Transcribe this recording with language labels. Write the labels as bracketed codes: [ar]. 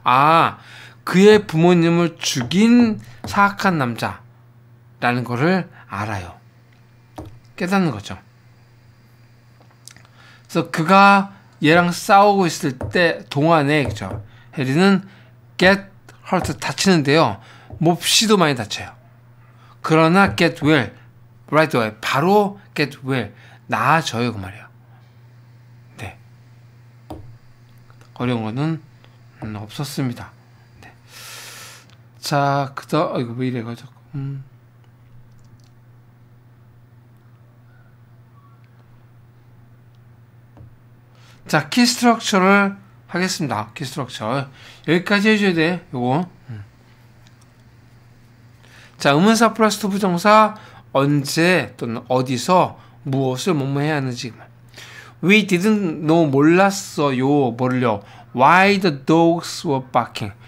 [ko] 아, 그의 부모님을 죽인 사악한 남자라는 거를 알아요. 깨닫는 거죠. 그래서 그가 얘랑 싸우고 있을 때 동안에, 그죠? 해리는 get 헐트 다치는데요. 몹시도 많이 다쳐요. 그러나 [en] get well, right away, [ko] 바로 [en] get well, [ko] 나아져요. 그 말이야. 네. 어려운 거는 없었습니다. 네. 자, 그다음, 이거 왜 이래가 자꾸. 자, 키 스트럭처를 하겠습니다. 키 스트럭처. 여기까지 해줘야 돼. 요거. 자, 음운사 플러스 투 부정사, 언제 또는 어디서 무엇을 뭐뭐 해야 하는지. [en] We didn't know, [ko] 몰랐어요. 뭘요? [en] Why the dogs were barking.